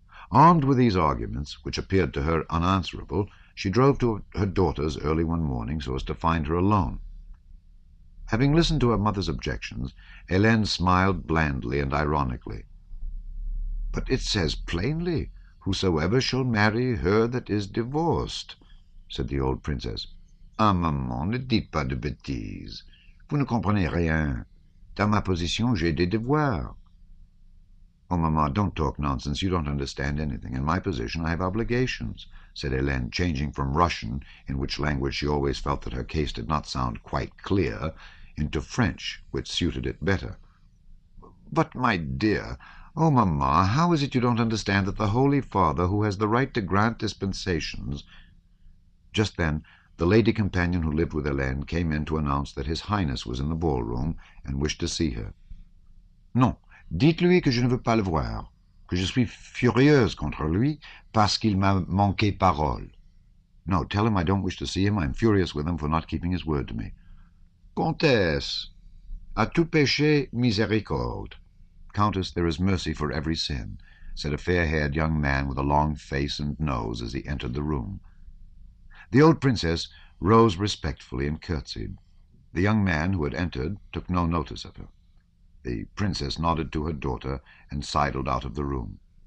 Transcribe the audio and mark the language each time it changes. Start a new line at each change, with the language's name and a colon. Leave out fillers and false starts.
English: Armed with these arguments, which appeared to her unanswerable, she drove to her daughter's early one morning so as to find her alone. Having listened to her mother's objections, Hélène smiled blandly and ironically. "But it says plainly, 'Whosoever shall marry her that is divorced,'" said the old princess.
French: "Ah, maman, ne dites pas de bêtises. Vous ne comprenez rien. Dans ma position, j'ai des devoirs."
English: "Oh, mamma, don't talk nonsense. You don't understand anything. In my position, I have obligations," said Hélène, changing from Russian, in which language she always felt that her case did not sound quite clear, into French, which suited it better. "But, my dear, oh, mamma, how is it you don't understand that the Holy Father, who has the right to grant dispensations..." Just then, the lady companion who lived with Hélène came in to announce that His Highness was in the ballroom and wished to see her.
French: "Non. Dites-lui que je ne veux pas le voir, que je suis furieuse contre lui parce qu'il m'a manqué parole."
English: "No, tell him I don't wish to see him. I'm furious with him for not keeping his word to me."
French: "Comtesse, à tout péché, miséricorde."
English: "Countess, there is mercy for every sin," said a fair-haired young man with a long face and nose as he entered the room. The old princess rose respectfully and curtsied. The young man who had entered took no notice of her. The princess nodded to her daughter and sidled out of the room.